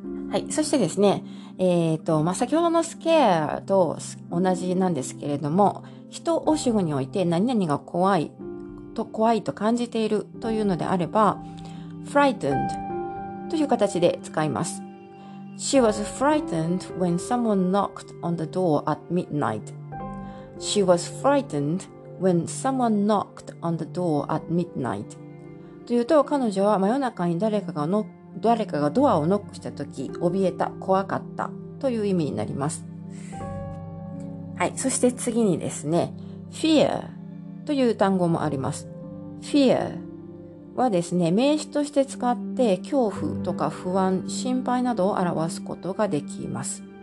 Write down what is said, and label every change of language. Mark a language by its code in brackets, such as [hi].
[ja] はい、そしてですね、まあ、先ほどの scare と同じなんですけれども、人を主語において何々が怖いと感じているというのであれば、frightened という形で使います。 [en] She was frightened when someone knocked on the door at midnight. She was frightened when someone knocked on the door at midnight. [ja] というと、彼女は真夜中に誰かがドアをノックした時、怯えた、怖かったという意味になります。はい、そして次にですね、fear という単語もあります。 fear はですね、名詞として使って恐怖とか不安、心配などを表すことができます。